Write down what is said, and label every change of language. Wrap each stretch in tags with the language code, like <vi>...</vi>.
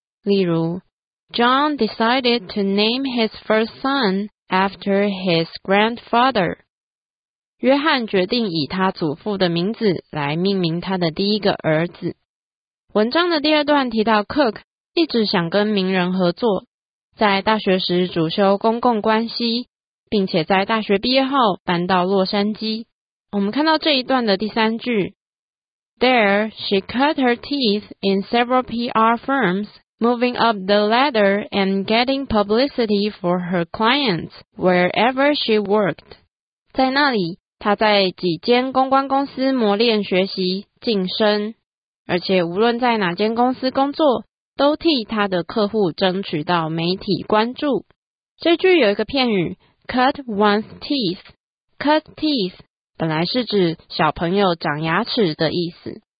<zh>例如 John decided to name his first son after his grandfather，约翰决定以他祖父的名字来命名他的第一个儿子。文章的第二段提到 Cook 一直想跟名人合作，在大学时主修公共关系，并且在大学毕业后搬到洛杉矶。</zh> <en>我们看到这一段的第三句 There she cut her teeth in several PR firms, moving up the ladder and getting publicity for her clients wherever she worked。</en> <zh>在那里她在几间公关公司磨练学习晋升，而且无论在哪间公司工作都替他的客户争取到媒体关注。这句有一个片语 cut one's teeth， cut teeth 本来是指小朋友长牙齿的意思。</zh>